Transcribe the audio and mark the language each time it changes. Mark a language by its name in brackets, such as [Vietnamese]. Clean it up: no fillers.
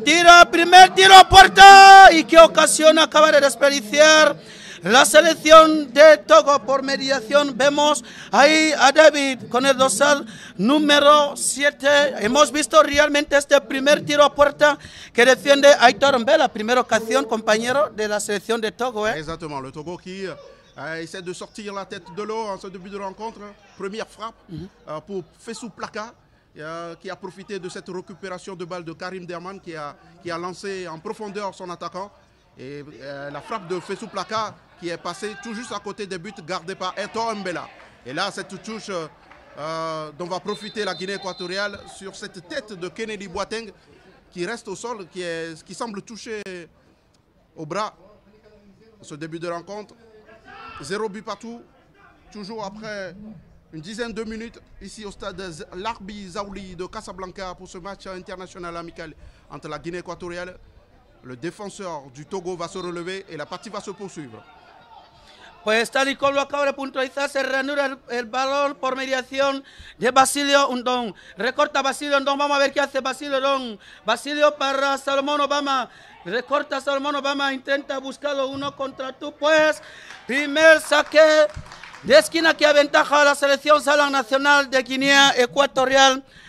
[Spanish] Tira, primer tiro a puerta, y qué ocasión acaba de desperdiciar la selección de Togo por mediación. Vemos ahí a David con el dorsal número 7. Hemos visto realmente este primer tiro a puerta que defiende Aitor Mbé, la primera ocasión, compañero, de la selección de Togo. [French] Exactement, le Togo qui essaie de sortir la tête de l'eau en ce début de rencontre. Première frappe pour Fessou Plaka, qui a profité de cette récupération de balle de Karim Derman qui a lancé en profondeur son attaquant. Et la frappe de Fessou Plaka qui est passée tout juste à côté des buts gardés par Eto'o Mbella. Et là, cette touche dont va profiter la Guinée équatoriale sur cette tête de Kennedy Boateng qui reste au sol, qui semble toucher au bras ce début de rencontre. Zéro but partout, toujours après une dizaine de minutes ici au stade Larbi Zaouli de Casablanca pour ce match international amical entre la Guinée équatoriale. Le défenseur du Togo va se relever et la partie va se poursuivre. [Spanish] Pues tal y como lo acabo de puntualizar, se reanuda el balón por mediación de Basilio Ondong. Recorta Basilio Ondong, vamos a ver qué hace Basilio Ondong. Basilio para Salomón Obama. Recorta Salomón Obama, intenta buscarlo uno contra tú. Pues primer saque de esquina que aventaja a la selección Salón Nacional de Guinea Ecuatorial.